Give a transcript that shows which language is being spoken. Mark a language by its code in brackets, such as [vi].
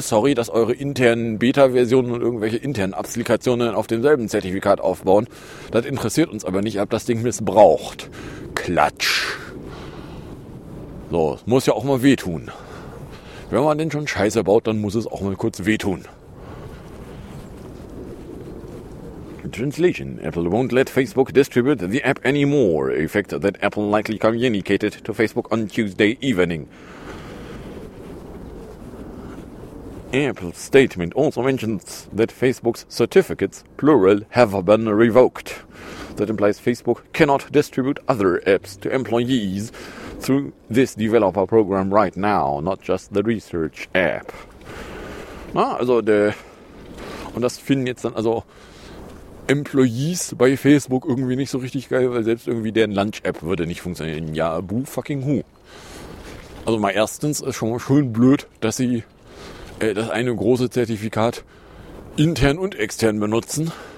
[de] Sorry, dass eure internen Beta-Versionen und irgendwelche internen Applikationen auf demselben Zertifikat aufbauen. Das interessiert uns aber nicht, ob das Ding missbraucht. Klatsch. So, muss ja auch mal wehtun. Wenn man denn schon Scheiße baut, dann muss es auch mal kurz wehtun. [en] Translation. Apple won't let Facebook distribute the app anymore. A fact that Apple likely communicated to Facebook on Tuesday evening. Apple's statement also mentions that Facebook's certificates, plural, have been revoked. That implies Facebook cannot distribute other apps to employees through this developer program right now, not just the research app. [de] Ah, also der... Und das finden jetzt dann also Employees bei Facebook irgendwie nicht so richtig geil, weil selbst irgendwie deren Lunch-App würde nicht funktionieren. Ja, [en] boo fucking who. [de] Also mal erstens ist schon mal schön blöd, dass sie das eine große Zertifikat intern und extern benutzen.